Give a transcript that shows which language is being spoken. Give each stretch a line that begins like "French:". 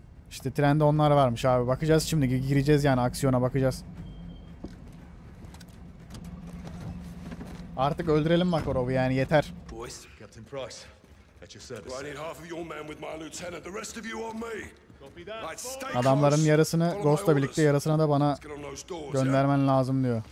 Turkish: İşte trende onlar varmış abi. Bakacağız şimdi. Gireceğiz yani aksiyona bakacağız. Artık öldürelim Makarov'u yani yeter.
English: Boys, Captain Price. At your service. Well, I need half of your men with my lieutenant. The rest of you on me.
Turkish: Adamların yarısını Ghost'la birlikte yarısını da bana göndermen lazım diyor.